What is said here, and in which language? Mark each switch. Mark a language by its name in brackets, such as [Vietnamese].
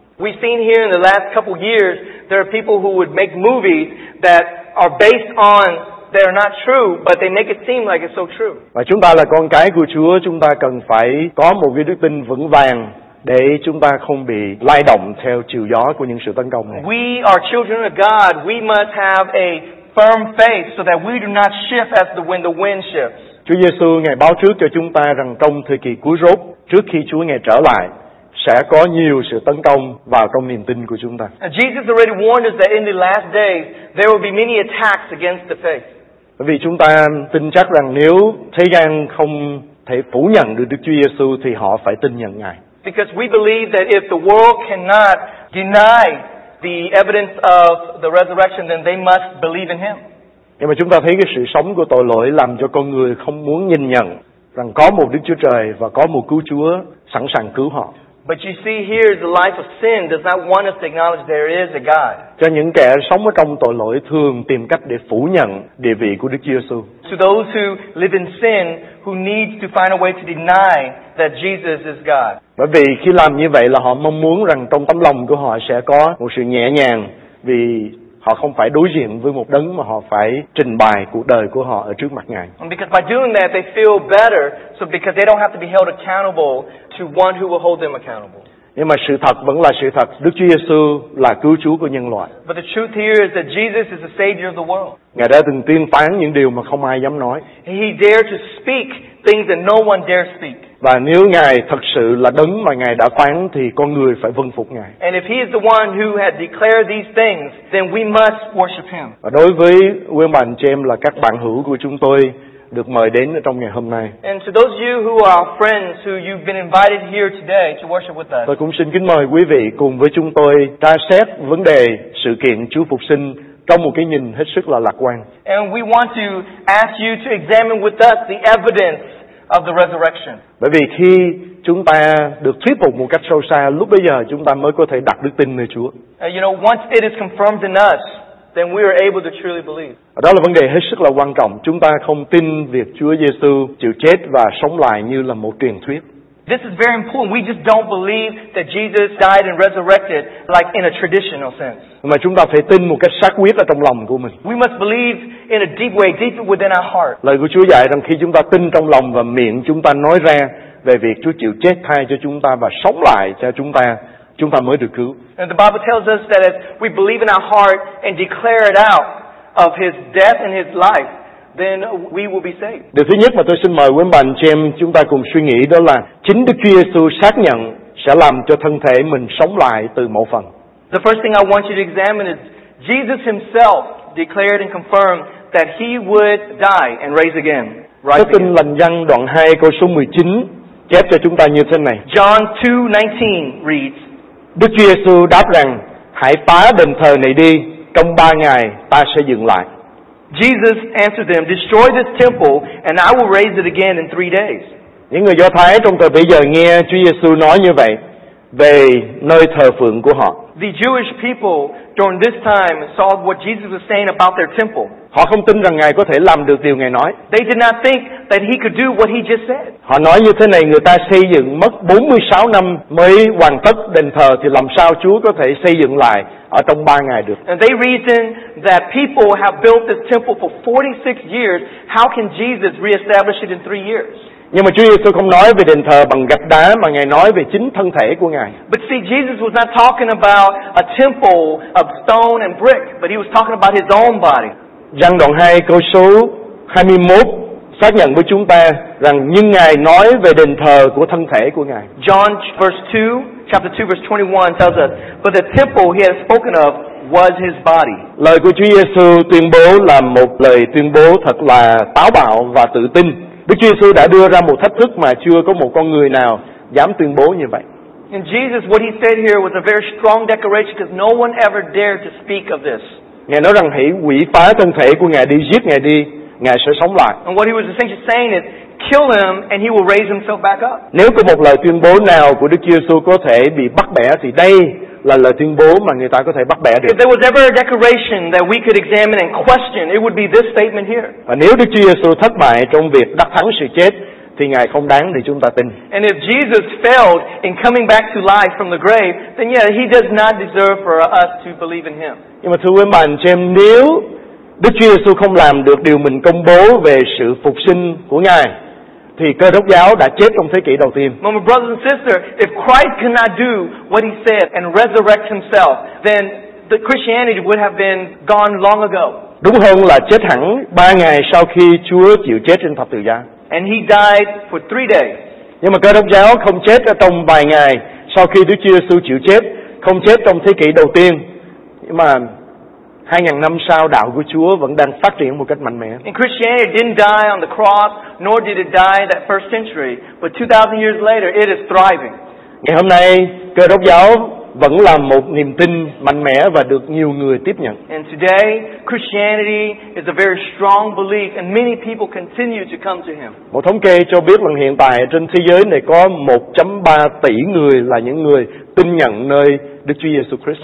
[English] We've seen here in the last couple years there are people who would make movies that are based on they are not true but they make it seem like it's so true. [Vietnamese] Và chúng ta là con cái của Chúa, chúng ta cần phải có một cái đức tin vững vàng để chúng ta không bị lay động theo chiều gió của những sự tấn công này. [English] We are children of God, we must have a firm faith so that we do not shift as the wind shifts. [Vietnamese] Chúa Giêsu ngài báo trước cho chúng ta rằng trong thời kỳ cuối rốt, trước khi Chúa ngài trở lại, sẽ có nhiều sự tấn công vào trong niềm tin của chúng ta. [English] Jesus already warned us that in the last days there will be many attacks against the faith. [Vietnamese] Vì chúng ta tin chắc rằng nếu thế gian không thể phủ nhận được Đức Chúa Giêsu thì họ phải tin nhận ngài. [English] Because we believe that if the world cannot deny the evidence of the resurrection then they must believe in him. [Vietnamese] Nhưng mà chúng ta thấy cái sự sống của tội lỗi làm cho con người không muốn nhìn nhận rằng có một Đức Chúa Trời và có một Cứu Chúa sẵn sàng cứu họ. [English] But you see here, the life of sin does not want us to acknowledge there is a God. [Vietnamese] Cho những kẻ sống ở trong tội lỗi thường tìm cách để phủ nhận địa vị của Đức Giê-xu. [English] To those who live in sin, who need to find a way to deny that Jesus is God. [Vietnamese] Bởi vì khi làm như vậy là họ mong muốn rằng trong tấm lòng của họ sẽ có một sự nhẹ nhàng vì họ không phải đối diện với một đấng mà họ phải trình bày cuộc đời của họ ở trước mặt Ngài. [English] And because by doing that they feel better, so because they don't have to be held accountable to one who will hold them accountable. [Vietnamese] Nhưng mà sự thật vẫn là sự thật, Đức Chúa Giê-xu là cứu Chúa của nhân loại. [English] But the truth here is that Jesus is the savior of the world. [Vietnamese] Ngài đã từng tuyên phán những điều mà không ai dám nói. [English] He dared to speak things that no one dare speak. [Vietnamese] Và nếu Ngài thật sự là đấng mà Ngài đã phán thì con người phải vâng phục Ngài. [English] And if he is the one who had declared these things, then we must worship him. [Vietnamese] Và đối với quý bạn chị em là các bạn hữu của chúng tôi được mời đến trong ngày hôm nay. [English] And to those of you who are friends who you've been invited here today to worship with us. [Vietnamese] Tôi cũng xin kính mời quý vị cùng với chúng tôi tra xét vấn đề sự kiện Chúa Phục Sinh trong một cái nhìn hết sức là lạc quan. [English] And we want to ask you to examine with us the evidence of the resurrection. [Vietnamese] Bởi vì khi chúng ta được thuyết phục một cách sâu xa, lúc bây giờ chúng ta mới có thể đặt đức tin nơi Chúa. [English] You know, once it is confirmed in us, then we are able to truly believe. [Vietnamese] Đó là vấn đề hết sức là quan trọng. Chúng ta không tin việc Chúa Giê-xu chịu chết và sống lại như là một truyền thuyết. [English] This is very important. We just don't believe that Jesus died and resurrected like in a traditional sense. [Vietnamese] Mà chúng ta phải tin một cách xác quyết ở trong lòng của mình. [English] We must believe in a deep way, deep within our heart. [Vietnamese] Lời của Chúa dạy rằng khi chúng ta tin trong lòng và miệng chúng ta nói ra về việc Chúa chịu chết thay cho chúng ta và sống lại cho chúng ta mới được cứu. [English] And the Bible tells us that as we believe in our heart and declare it out of his death and his life, then we will be saved. [Vietnamese] Điều thứ nhất mà tôi xin mời quý bạn chị em chúng ta cùng suy nghĩ đó là chính Đức Chúa Giê-xu xác nhận sẽ làm cho thân thể mình sống lại từ mộ phần. [English] The first thing I want you to examine is Jesus himself declared and confirmed that he would die and raise again. [Vietnamese] Tôi tin lành răng đoạn 2 câu số 19 chép cho chúng ta như thế này. [English] John 2:19 reads, [Vietnamese] Đức Chúa Giê-xu đáp rằng, hãy phá đền thờ này đi, trong 3 ngày ta sẽ dựng lại. [English] Jesus answered them, destroy this temple and I will raise it again in 3 days. [Vietnamese] Những người Do Thái trong thời bấy giờ nghe Chúa Giê-xu nói như vậy về nơi thờ phượng của họ. [English] The Jewish people during this time saw what Jesus was saying about their temple. [Vietnamese] Họ không tin rằng Ngài có thể làm được điều Ngài nói. [English] They did not think that he could do what he just said. [Vietnamese] Họ nói như thế này, người ta xây dựng mất 46 năm mới hoàn tất đền thờ thì làm sao Chúa có thể xây dựng lại ở trong 3 ngày được. [English] And they reasoned that people have built this temple for 46 years, how can Jesus reestablish it in 3 years? [Vietnamese] Nhưng mà Chúa Giê-xu không nói về đền thờ bằng gạch đá mà Ngài nói về chính thân thể của Ngài. [English] But see, Jesus was not talking about a temple of stone and brick, but he was talking about his own body. [Vietnamese] Giăng đoạn 2 câu số 21 xác nhận với chúng ta rằng nhưng Ngài nói về đền thờ của thân thể của Ngài. [English] John verse 2, chapter 2 verse 21 tells us, but the temple he had spoken of was his body. [Vietnamese] Lời của Chúa Giê-xu tuyên bố là một lời tuyên bố thật là táo bạo và tự tin. Đức Chúa Giê-xu đã đưa ra một thách thức mà chưa có một con người nào dám tuyên bố như vậy. [English] And Jesus, what he said here was a very strong declaration because no one ever dared to speak of this. [Vietnamese] Ngài nói rằng hãy hủy phá thân thể của Ngài đi, giết Ngài đi, Ngài sẽ sống lại. [English] And what he was essentially saying is, kill him and he will raise himself back up. [Vietnamese] Nếu có một lời tuyên bố nào của Đức Chúa Giê-xu có thể bị bắt bẻ thì đây là lời tuyên bố mà người ta có thể bắt bẻ được. [English] If there was ever a declaration that we could examine and question, it would be this statement here. [Vietnamese] Và nếu Đức Chúa Giê-xu thất bại trong việc đắc thắng sự chết thì Ngài không đáng để chúng ta tin. [English] And if Jesus failed in coming back to life from the grave, then yeah, he does not deserve for us to believe in him. [Vietnamese] Nhưng mà thưa quý bạn chị em, nếu Đức Chúa Giê-xu không làm được điều mình công bố về sự phục sinh của Ngài thì Cơ Đốc giáo đã chết trong thế kỷ đầu tiên. [English] My brothers and sisters, if Christ cannot do what he said and resurrect himself, then the Christianity would have been gone long ago. [Vietnamese] Đúng hơn là chết hẳn 3 ngày sau khi Chúa chịu chết trên thập tự giá. [English] And he died for 3 days. [Vietnamese] Nhưng mà Cơ Đốc giáo không chết ở trong vài ngày sau khi Đức Chúa Giê-xu chịu chết, không chết trong thế kỷ đầu tiên. Nhưng mà 2000 năm sau đạo của Chúa vẫn đang phát triển một cách mạnh mẽ. [English] And Christianity didn't die on the cross, nor did it die that first century, but 2000 years later it is thriving. [Vietnamese] Ngày hôm nay Cơ Đốc giáo vẫn là một niềm tin mạnh mẽ và được nhiều người tiếp nhận. [English] And today, Christianity is a very strong belief and many people continue to come to him. [Vietnamese] Một thống kê cho biết rằng hiện tại trên thế giới này có 1.3 tỷ người là những người tin nhận nơi Đức Chúa Jesus Christ.